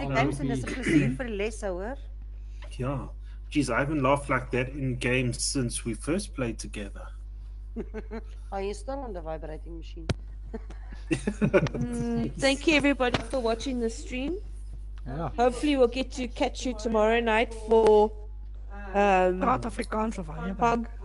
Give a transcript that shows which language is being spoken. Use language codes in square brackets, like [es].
[af] al die games en dis 'n plesier vir lesse, hoor. [en] Ja. Jeez, I haven't laughed like that in games since we first played together. [af] Ah, jy staan aan die vibrating machine. [en] Thank you everybody for watching the stream. Yeah. Hopefully we'll get to catch you tomorrow night for [af] Praat Afrikaans of aan je bank.